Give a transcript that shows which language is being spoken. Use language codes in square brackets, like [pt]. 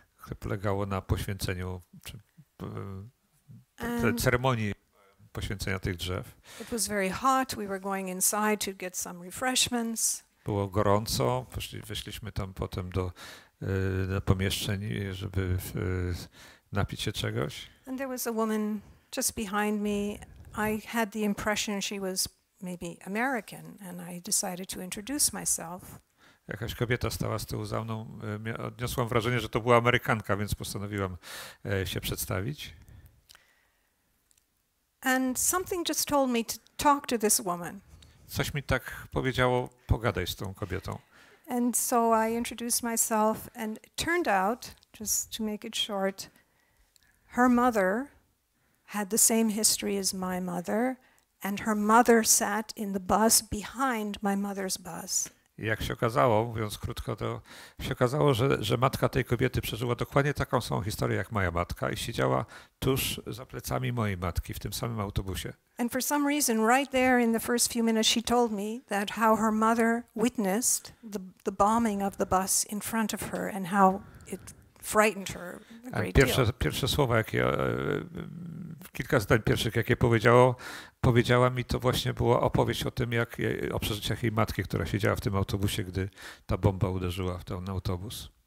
[pl] To polegało na poświęceniu czy ceremonii poświęcenia tych drzew. [en] It was very hot. We were going inside to get some refreshments. [pl] Było gorąco. Weszliśmy tam potem do pomieszczeń, żeby napić się czegoś. [en] And there was a woman just behind me. I had the impression she was maybe American, and I decided to introduce myself. [pl] Jakaś kobieta stała z tyłu za mną. Odniosłam wrażenie, że to była Amerykanka, więc postanowiłam się przedstawić. [en] And something just told me to talk to this woman. [pl] Coś mi tak powiedziało, pogadaj z tą kobietą. [en] And so I introduced myself, and it turned out, just to make it short, her mother had the same history as my mother, and her mother sat in the bus behind my mother's bus. [pl] Jak się okazało, mówiąc krótko, to się okazało, że matka tej kobiety przeżyła dokładnie taką samą historię jak moja matka i siedziała tuż za plecami mojej matki w tym samym autobusie. [en] And for some reason, right there in the first few minutes, she told me that how her mother witnessed the bombing of the bus in front of her and how it frightened her a great deal. [pl] Pierwsze słowa, jakie kilka zdań pierwszych, jakie powiedziała mi, to właśnie była opowieść o tym, jak o przeżyciach jej matki, która siedziała w tym autobusie, gdy ta bomba uderzyła w ten autobus.